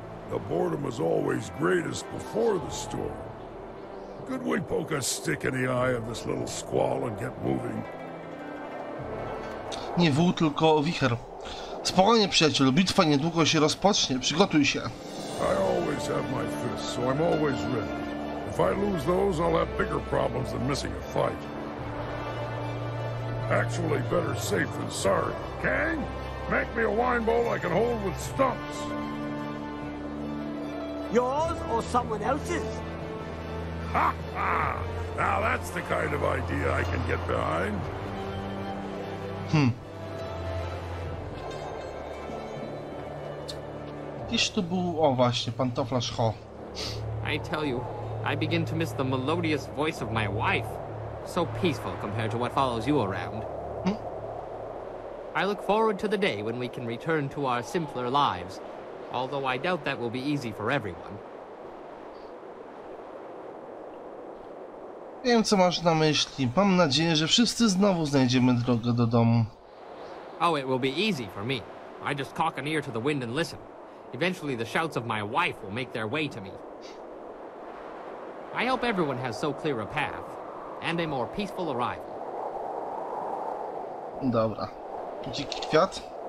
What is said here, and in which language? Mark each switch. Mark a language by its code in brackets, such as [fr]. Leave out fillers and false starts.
[en] The boredom is always greatest before the storm. Could we poke a stick in the eye of this little squall and get moving? [pl] Nie wół, tylko wicher. Spokojnie, przyjacielu, bitwa niedługo się rozpocznie. Przygotuj się. [en] I always have my fists, so I'm always ready. If I lose those, I'll have bigger problems than missing a fight. Actually, better safe than sorry. Kang, make me a wine bowl I can hold with stumps. Yours or someone else's? Ha ha! Now that's the kind of idea I can get behind. Hmm. [pl] Gdzieś tu był, o właśnie, pantoflasz Ho. [en] I tell you, I begin to miss the melodious voice of my wife. So peaceful compared to what follows you around. Hmm? I look forward to the day when we can return to our simpler lives. Although I doubt that will be easy for everyone. [pl] Wiem, co masz na myśli. Mam nadzieję, że wszyscy znowu znajdziemy drogę do domu. [en] Oh, it will be easy for me. I just cock an ear to the wind and listen. Eventually the shouts of my wife will make their way to me. I hope everyone has so clear a path and a more peaceful arrival. [pl] Dobra. Dziki kwiat.